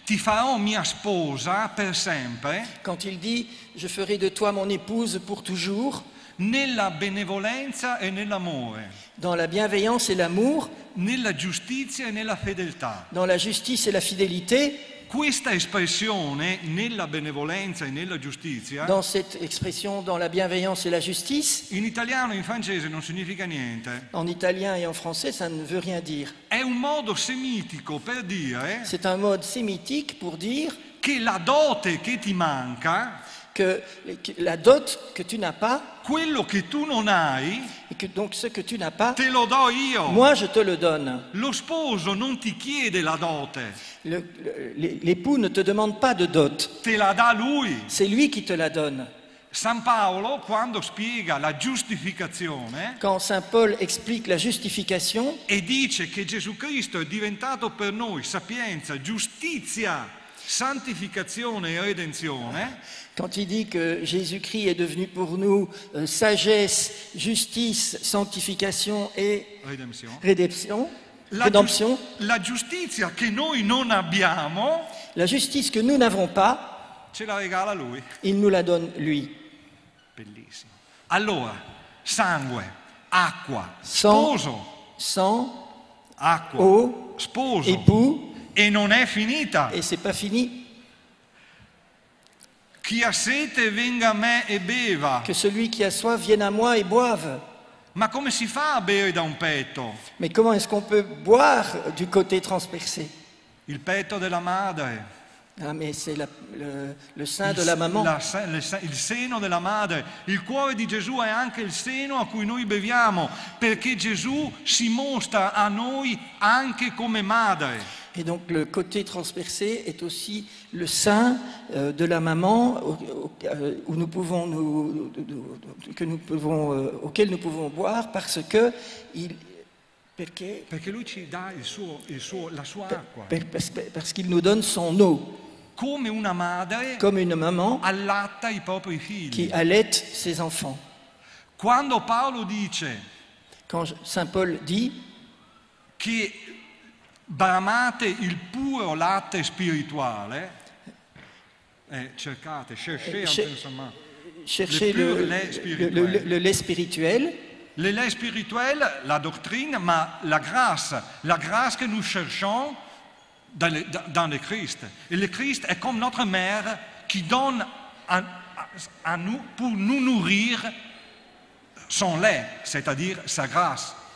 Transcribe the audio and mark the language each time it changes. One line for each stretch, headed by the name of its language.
Italian: Ti farò mia sposa per sempre.
French: Quand il dit je ferai de toi mon épouse pour toujours.
Italian: Nella benevolenza e nell'amore.
French: Dans la bienveillance et l'amour.
Italian: Nella giustizia e nella fedeltà.
French: Dans la justice et la fidélité.
Italian: questa espressione nella benevolenza e nella giustizia.
French: Dans cette expression dans la bienveillance et la justice.
Italian: In italiano e in francese non significa niente.
French: En italien et en français, ça ne veut rien dire.
Italian: È un modo semitico per dire.
French: C'est un mode sémitique pour dire.
Italian: Che la dote che ti manca.
French: Que la dot que tu n'as pas.
Italian: Quello che tu non hai.
French: Et que donc ce que tu n'as pas.
Italian: Te lo do io.
French: Moi je te le donne.
Italian: Lo sposo non ti chiede la dote.
French: L'époux ne te demande pas de dot.
Italian: Te la dà lui.
French: C'est lui qui te la donne.
Italian: San Paolo quando spiega la giustificazione.
French: Quand Saint Paul explique la justification.
Italian: E dice che Gesù Cristo è diventato per noi sapienza, giustizia, santificazione e redenzione.
French: Quand il dit que Jésus-Christ est devenu pour nous sagesse, justice, sanctification et rédemption.
Italian: La giustizia che noi non abbiamo,
French: la justice que nous n'avons pas,
Italian: ce la regala lui.
French: Il nous la donne lui.
Italian: Bellissimo. Allora, sangue, acqua, sposo,
French: sang,
Italian: acqua,
French: eau,
Italian: sposo,
French: époux,
Italian: e non è finita.
French: Et c'est pas fini.
Italian: Chi ha sete venga a me e beva.
French: Que celui qui a soif vienne à moi et boive.
Italian: Ma come si fa a bere da un petto?
French: Mais comment est-ce qu'on peut boire du côté transpercé?
Italian: Il petto della madre.
French: Ah, mais c'est le sein de la maman.
Italian: Il seno della madre. Il cuore di Gesù è anche il seno a cui noi beviamo, perché Gesù si mostra a noi anche come madre.
French: Et donc le côté transpercé est aussi le sein de la maman où nous pouvons auquel nous pouvons boire parce que il
Italian: perché lui ci dà il suo la sua acqua
French: parce qu'il nous donne son eau
Italian: come una madre
French: comme une maman
Italian: allatta i propri figli
French: qui allaite ses enfants.
Italian: Quando Paolo dice
French: quand Saint Paul dit
Italian: che bramate il puro latte spirituale, cercate,
French: cherchez le lait spirituel,
Italian: la dottrina, ma
French: la grâce
Italian: che noi
French: cherchons dans le Christ. E le Christ
Italian: è come
French: notre mère qui donne a nous pour nous nourrir son lait, c'est-à-dire sa grâce.